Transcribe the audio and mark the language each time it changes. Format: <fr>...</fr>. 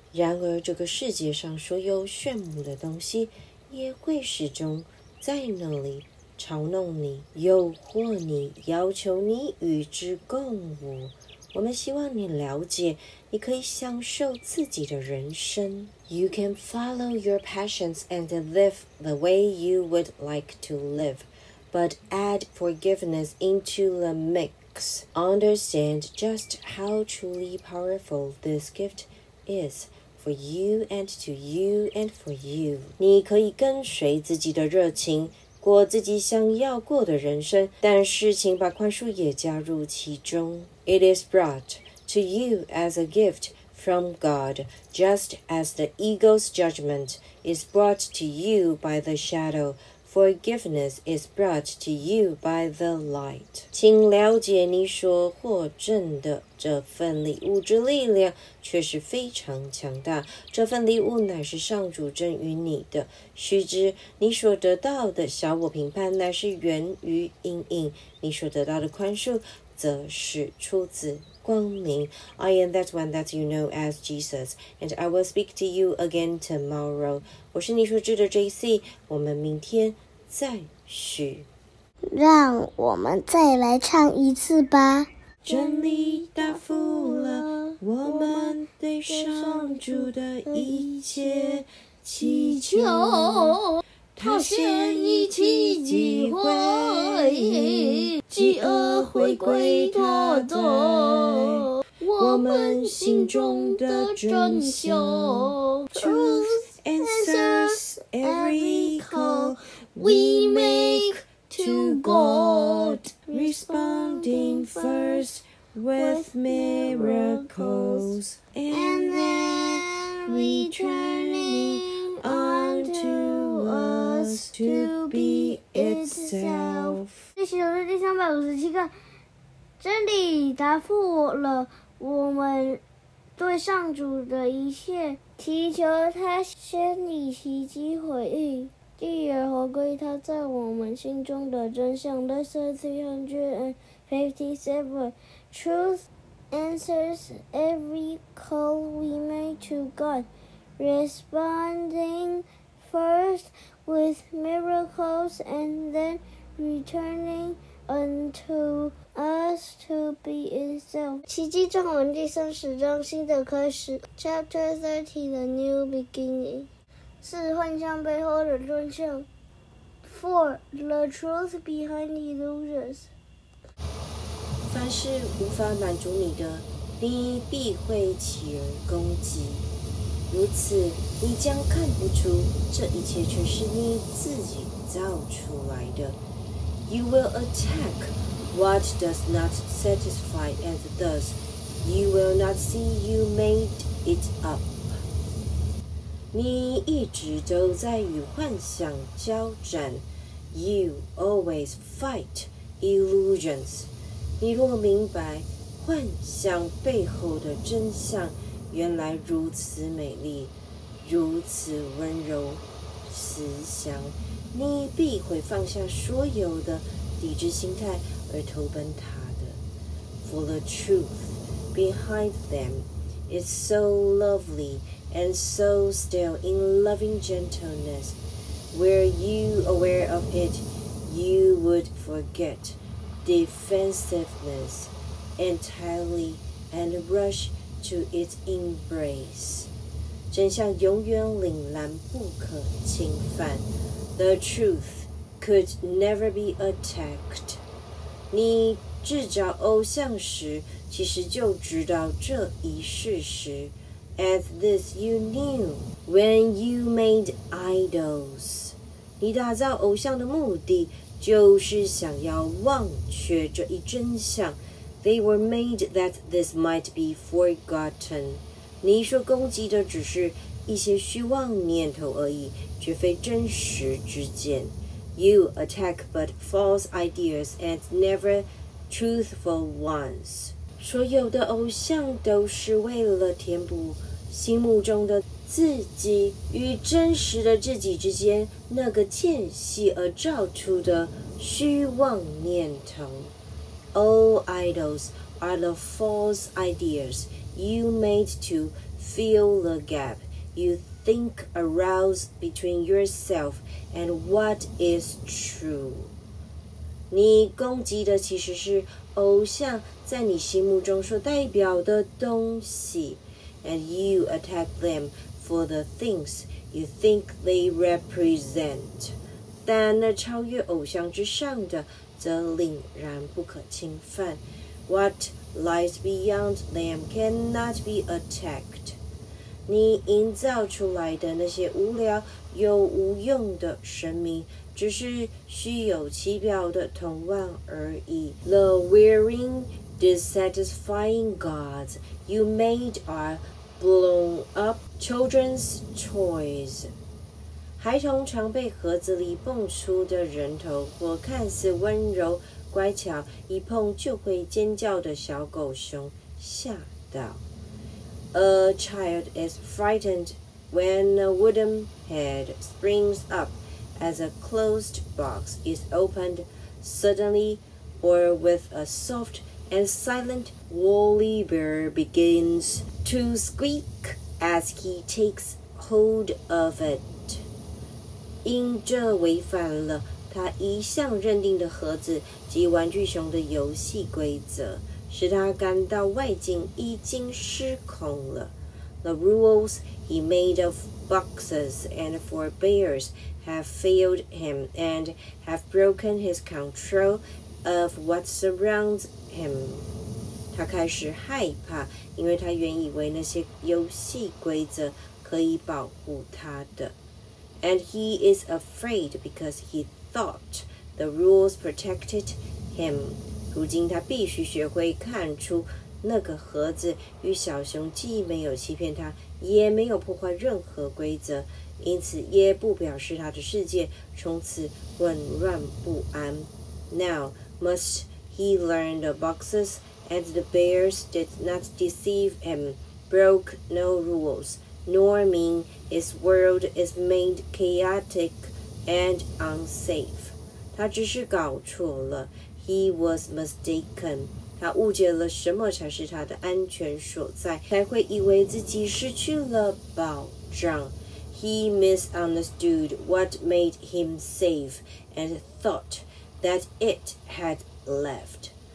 <zh>然而这个世界上所有炫目的东西也会始终在那里嘲弄你，诱惑你，要求你与之共舞。我们希望你了解，你可以享受自己的人生。</zh> <en>You can follow your passions and live the way you would like to live, but add forgiveness into the mix. Understand just how truly powerful this gift is for you and to you and for you.</en> <zh>你可以跟随自己的热情，过自己想要过的人生，但是请把宽恕也加入其中。</zh> <en>It is brought to you as a gift from God, just as the ego's judgment is brought to you by the shadow. Forgiveness is brought to you by the light.</en> <zh>请了解你所获赠的这份礼物之力量却是非常强大。这份礼物乃是上主赠予你的。须知你所得到的小我评判乃是源于阴影。你所得到的宽恕则是出自光明。</zh> <en>I am that one that you know as Jesus, and I will speak to you again tomorrow.</en> <zh>我是你所知的 JC, 我们明天再续。让我们再来唱一次吧。真理答复了我们对上主的一切祈求，他先一起机会，饥饿回归他的我们心中的真相。</zh> <en>Truth answers every call we make to God, responding first with miracles and then returning unto us to be itself.</en> <zh>这期都是第357个真理答复了我们对上主的一切祈求，他先以奇迹回应，继而回归他在我们心中的真相。</zh> <en>357 Truth answers every call we make to God, responding first with miracles and then returning unto us to be itself.</en> <zh>奇迹正文第30章新的开始</zh> <en>Chapter 30 The New Beginning4.</en> <zh>幻象背后的真相 4.</zh> <en>The truth behind the illusions.</en> <zh>凡是无法满足你的，你必会起而攻击，如此你将看不出这一切全是你自己造出来的。</zh> <en>You will attack what does not satisfy and thus You will not see you made it up.</en> <zh>你一直都在与幻想交战。</zh> <en>You always fight illusions.</en> <zh>你若明白幻想背后的真相，原来如此美丽，如此温柔，慈祥，你必会放下所有的抵制心态而投奔他的。</zh> <en>For the truth behind them is so lovely and so still in loving gentleness. Were you aware of it, you would forget defensiveness entirely and rush to its embrace.</en> <zh>真相永远凛然，不可侵犯。</zh> <en>The truth could never be attacked.</en> <zh>你制造偶像时，其实就知道这一事实。</zh> <en>As this you knew when you made idols.</en> <zh>你打造偶像的目的就是想要忘却这一真相。</zh> <en>They were made that this might be forgotten.</en> <zh>你所攻击的只是一些虚妄念头而已，绝非真实之见。</zh> <en>You attack but false ideas and never truthful ones.</en> <zh>所有的偶像都是为了填补心目中的自己与真实的自己之间那个间隙而造出的虚妄念头。</zh> <en>All idols are the false ideas you made to fill the gap you think arouses between yourself and what is true.</en> <zh>你攻击的其实是偶像在你心目中所代表的东西。</zh> <en>And you attack them for the things you think they represent.</en> <zh>但那超越偶像之上的则凛然不可侵犯。</zh> <en>What lies beyond them cannot be attacked.</en> <zh>你营造出来的那些无聊又无用的神明只是虚有其表的童话而已。</zh> <en>The wearing dissatisfying gods you made are blown up children's toys.</en> <zh>孩童常被盒子里蹦出的人头或看似温柔乖巧一碰就会尖叫的小狗熊吓到。</zh> <en>A child is frightened when a wooden head springs up as a closed box is opened suddenly or with a softAnd silent woolly bear begins to squeak as he takes hold of it.</en> <zh>因这违反了他一向认定的盒子及玩具熊的游戏规则，使他感到外境已经失控了。</zh> <en>The rules he made of boxes and for bears have failed him and have broken his control of what surrounds him. Him.</en> <zh>他开始害怕，因为他原以为那些游戏规则可以保护他的。</zh> <en>And he is afraid because he thought the rules protected him.</en> <zh>如今他必须学会看出那个盒子与小熊既没有欺骗他，也没有破坏任何规则，因此也不表示他的世界从此混乱不安。</zh> <en>Now mustHe learned the boxes and the bears did not deceive him, broke no rules, nor mean his world is made chaotic and unsafe.</en> <zh>他只是搞错了。</zh> <en>He was mistaken.</en> <zh>他误解了什么才是他的安全所在，才会以为自己失去了保障。</zh> <en>He misunderstood what made him safe and thought that it had left.</en>